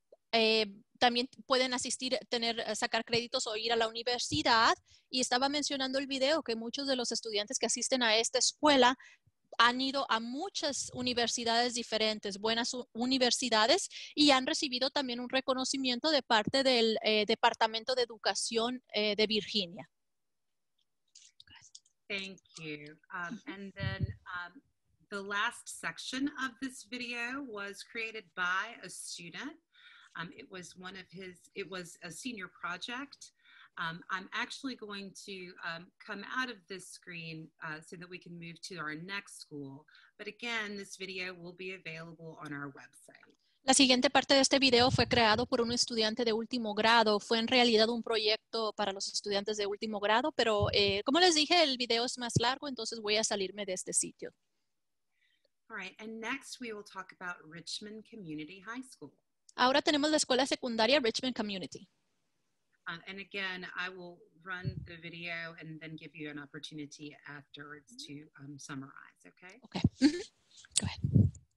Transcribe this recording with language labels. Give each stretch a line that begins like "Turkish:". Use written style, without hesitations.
Spanish: También pueden asistir, tener, sacar créditos o ir a la universidad. Y estaba mencionando el video que muchos de los estudiantes que asisten a esta escuela han ido a muchas universidades diferentes, buenas universidades, y han recibido también un reconocimiento de parte del Departamento de Educación de Virginia.
English: Thank you. And then the last section of this video was created by a student. It was a senior project. I'm actually going to come out of this screen so that we can move to our next school. But again, this video will be available on our website.
Spanish: La siguiente parte de este video fue creado por un estudiante de último grado. Fue en realidad un proyecto para los estudiantes de último grado, pero como les dije, el video es más largo, entonces voy a salirme de este sitio.
English: All right, and next we will talk about Richmond Community High School.
Spanish: Ahora tenemos la escuela secundaria Richmond Community.
English: And again, I will run the video and then give you an opportunity afterwards to summarize, okay? Okay. Mm-hmm. Go ahead.